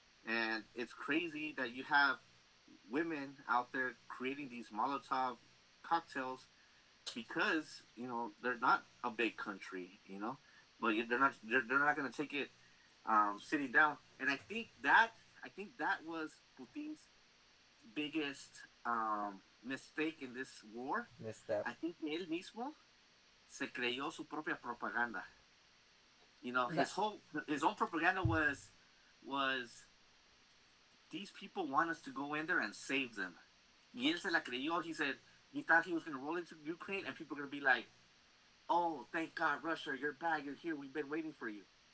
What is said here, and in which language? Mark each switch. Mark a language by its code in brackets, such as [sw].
[en] And it's crazy that you have women out there creating these Molotov cocktails, because, you know, they're not a big country, you know, but they're not going to take it sitting down. And I think that was Putin's biggest mistake in this war. Misstep. I think [es] él mismo se creyó su propia propaganda. [en] You know, his own propaganda was these people want us to go in there and save them. [es] Y él se la creyó. [en] He said, he thought he was going to roll into Ukraine and people are going to be like, oh, thank God, Russia, you're back, you're here, we've been waiting for you.